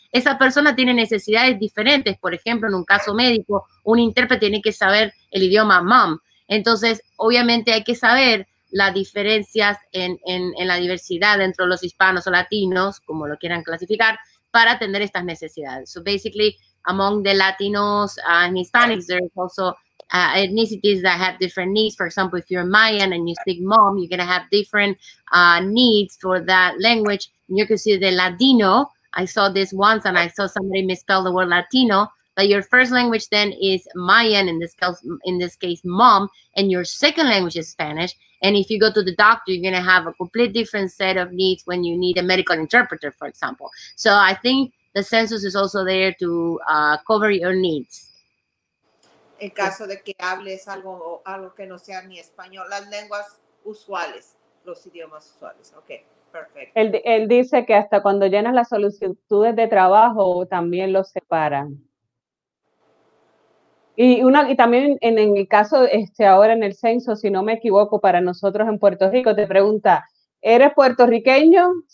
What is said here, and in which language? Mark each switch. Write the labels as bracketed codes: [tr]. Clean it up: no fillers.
[es] Esa persona tiene necesidades diferentes. Por ejemplo, en un caso médico, un intérprete tiene que saber el idioma mam. Entonces, obviamente hay que saber las diferencias en la diversidad dentro de los hispanos o latinos, como lo quieran clasificar, para atender estas necesidades. [en] So basically, among the Latinos and Hispanics, there is also ethnicities that have different needs. For example, if you're Mayan and you speak mom, you're going to have different needs for that language. And you can see the Latino. I saw this once and I saw somebody misspell the word Latino. But your first language then is Mayan, in this case, mom, and your second language is Spanish. And if you go to the doctor, you're going to have a complete different set of needs when you need a medical interpreter, for example. So I think the census is also there to cover your needs. [es] En caso de que hables algo que no sea ni español, las lenguas usuales, los idiomas usuales. Okay. Perfecto. Él dice que hasta cuando llenas las solicitudes de trabajo, también los separan. Y también en el caso, ahora en el censo, si no me equivoco, para nosotros en Puerto Rico, te pregunta, ¿eres puertorriqueño?